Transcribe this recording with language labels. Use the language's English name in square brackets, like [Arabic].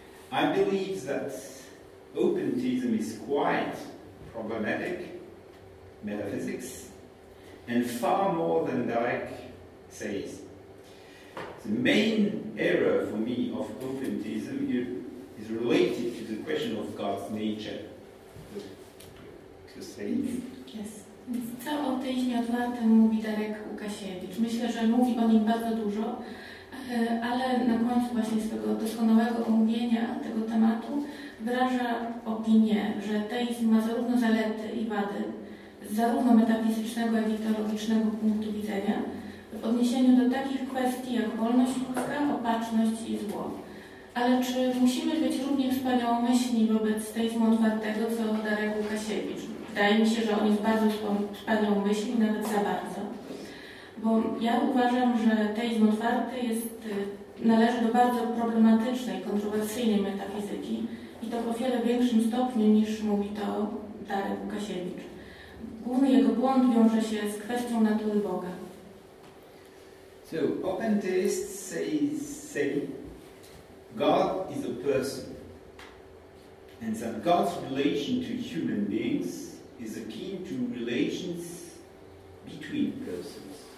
[English] I believe that open theism is quite problematic, metaphysics, and far more than Darek says. The main error for me of open theism is related to the question of God's nature. Yes. [Polish] Co o teizmie otwartym mówi Darek Łukasiewicz? Myślę, że mówi o nim bardzo dużo, ale na końcu właśnie swojego doskonałego omówienia tego tematu wyraża opinię, że teizm ma zarówno zalety i wady, z zarówno metafizycznego, jak i teologicznego punktu widzenia, w odniesieniu do takich kwestii jak wolność ludzka, opatrzność i zło. Ale czy musimy być równie wspaniałomyślni wobec teizmu otwartego, co Darek Łukasiewicz? Wydaje mi się, że on jest bardzo wspaniałą myślą, nawet za bardzo. Bo ja uważam, że teizm otwarty należy do bardzo problematycznej, kontrowersyjnej metafizyki i to po wiele większym stopniu niż mówi to Darek Łukasiewicz. Główny jego błąd wiąże się z kwestią natury Boga. [English] So, open theists say God is a person and that God's relation to human beings is akin to relations between persons.